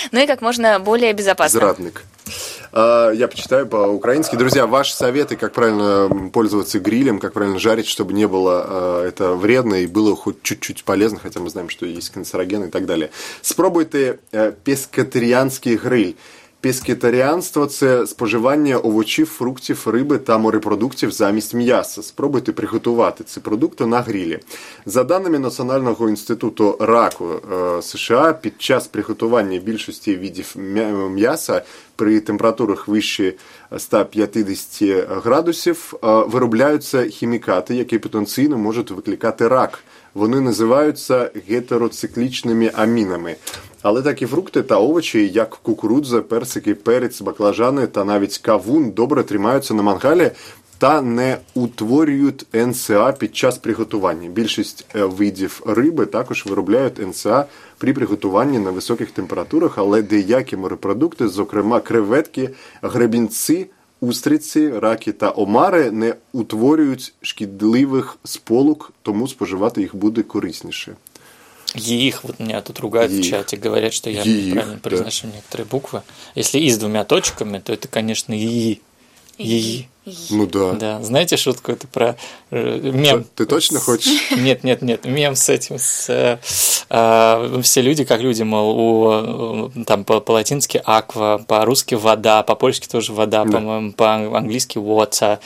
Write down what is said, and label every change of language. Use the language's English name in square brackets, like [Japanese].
[Russian] Ну и как можно более безопасно. Зрадник. Я почитаю по-украински. Друзья, ваши советы, как правильно пользоваться грилем, как правильно жарить, чтобы не было это вредно и было хоть чуть-чуть полезно, хотя мы знаем, что есть канцерогены и так далее. [Ukrainian] Спробуйте пескетарианский гриль. Пескетаріанство – це споживання овочів, фруктів, риби та морепродуктів замість м'яса. Спробуйте приготувати ці продукти на грілі. За даними Національного інституту раку США, під час приготування більшості видів м'яса при температурах вище 150 градусів виробляються хімікати, які потенційно можуть викликати рак. Вони називаються гетероциклічними амінами. Але так і фрукти та овочі, як кукурудза, персики, перець, баклажани та навіть кавун, добре тримаються на мангалі та не утворюють НСА під час приготування. Більшість видів риби також виробляють НСА при приготуванні на високих температурах, але деякі морепродукти, зокрема креветки, гребінці, устриці, раки та омари, не утворюють шкідливих сполук, тому споживати їх буде корисніше. [Russian] Їх, вот меня тут ругают в чате, говорят, что я неправильно произношу некоторые буквы. Если «и» с двумя точками, то это, конечно, «и». Ну да. Да. Знаете шутку это про мем? Ты точно хочешь? Нет. Мем с этим. Все люди как люди, мол, там по-латински «аква», по-русски «вода», по-польски тоже «вода», по-моему, по-английски «water».